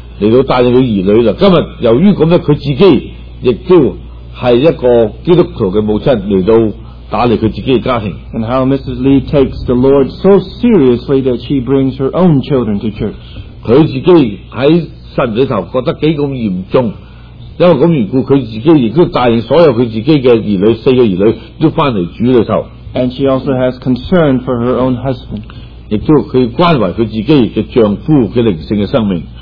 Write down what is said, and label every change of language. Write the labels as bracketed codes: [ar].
[zh] 来到带领他儿女了，今天由于这样他自己也都是一个基督徒的母亲来到打理他自己的家庭。 [en] And how Mrs. Lee takes the Lord so seriously that she brings her own children to church. [zh] 他自己在神里头觉得几咁严重，因为这样缘故他自己也都带领所有他自己的儿女，四个儿女都回来主里头。 And she also has concern for her own husband. 也都他关怀他自己的丈夫的灵性的生命。